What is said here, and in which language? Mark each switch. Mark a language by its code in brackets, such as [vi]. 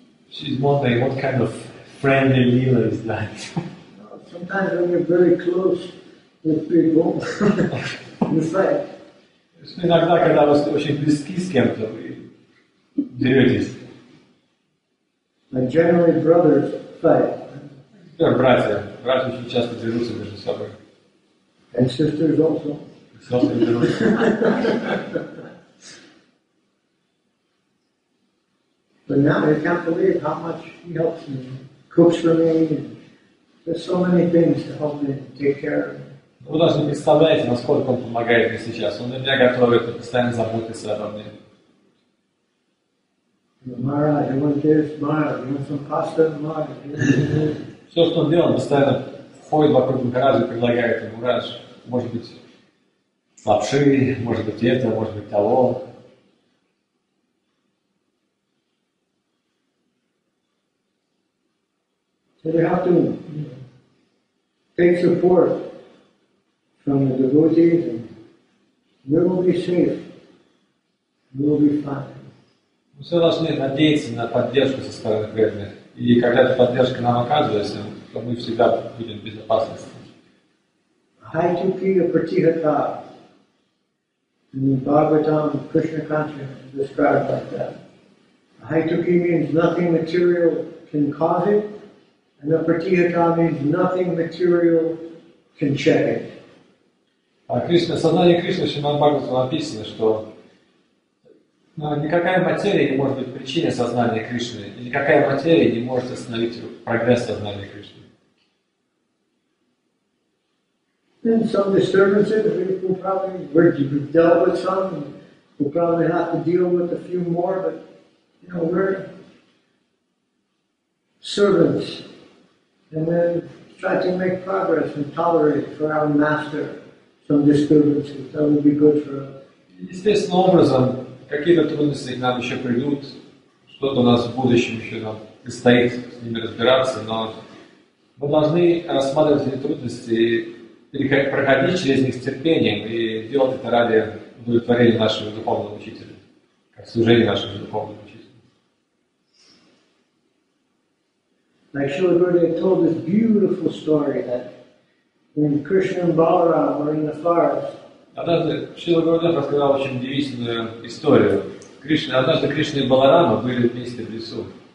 [en] She's wondering what kind of friendly leela is that. Sometimes when you're very close with people, it's like. [ru] Иногда когда вы очень близки с кем-то, вы деретесь. [en] And generally brothers fight. [ru] Yeah, братья очень часто дерутся между собой. [en] And sisters also. But now I can't believe how much he helps me, cooks for me, and there's so many things to help me take care of. [ru] Вы даже не представляете, насколько он помогает мне сейчас. Он меня готовит и постоянно заботится обо мне. [en] Maharaj, you want this? Maharaj, you want some pasta? Maharaj, [ru] все, что он делает, постоянно ходит вокруг Махараджа и предлагает ему, Махарадж, может быть, лапши, может быть, это, может быть, того. [en] So you have to take support from the devotees and we will be safe. We will be fine. [ru] Мы все должны надеяться на поддержку со стороны преданных. И когда эта поддержка нам оказывается, то мы всегда будем в безопасности. [sa] Hai tuki a pratihata. [en] In the Bhagavatam, Krishna consciousness is described like that. Haituki means nothing material can cause it, and the Pratihata means nothing material can check it. [ru] Krishna, сознание Кришны в Шримад Бхагаватам написано, что никакая материя не может быть причиной сознания Кришны, и никакая материя не может остановить прогресс сознания Кришны. [en] And some disturbances, we'll probably, we've dealt with some, and we'll probably have to deal with a few more, but, you know, we're servants. And then try to make progress and tolerate for our master some disturbances. That would be good for us. [ru] Естественным образом, какие-то трудности к нам еще придут, что-то у нас в будущем еще нам предстоит с ними разбираться, но мы должны рассматривать эти трудности и проходить через них с терпением и делать это ради удовлетворения нашего духовного учителя, как служения нашего духовного учителя. [en] Like Srila Gurudev told this beautiful story that when Krishna and Balaram were in the forest, [ru] однажды Шрила Гурудев рассказал очень удивительную историю. Кришна, однажды Кришна и Баларама были вместе в лесу.